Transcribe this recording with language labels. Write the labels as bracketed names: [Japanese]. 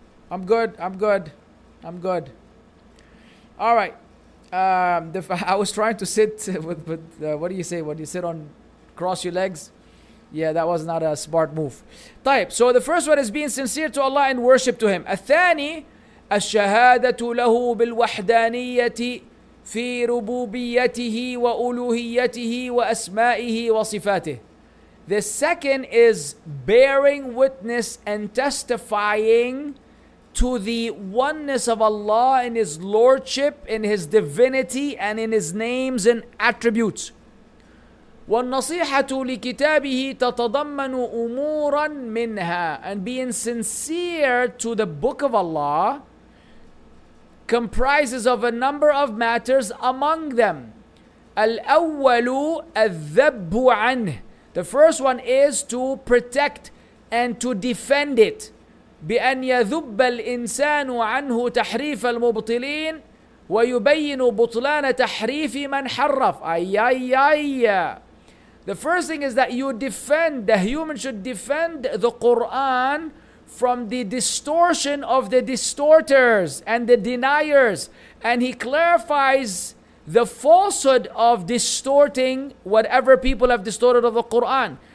[English] I'm good. All right. I was trying to sit with, what do you sit on, cross your legs? Yeah, that was not a smart move. طيب, so the first one is being sincere to Allah and worship to Him. [Arabic] الثاني, الشهادة له بالوحدانية في ربوبيته وألوهيته وأسمائه وصفاته. [English] The second is bearing witness and testifying to the oneness of Allah in His Lordship, in His divinity, and in His names and attributes. [Arabic] والنصيحة لكتابه تتضمن أمورا منها. [English] And being sincere to the Book of Allah comprises of a number of matters among them. [Arabic] الأول الذب عنه. [English] The first one is to protect and to defend it. [Arabic] بأن يذب الإنسان عنه تحريف المبطلين ويبين بطلان تحريف من حرف. أي أي أي. [English] The first thing is that you defend, the human should defend the Quran from the distortion of the distorters and the deniers. And he clarifies the falsehood of distorting whatever people have distorted of the Quran.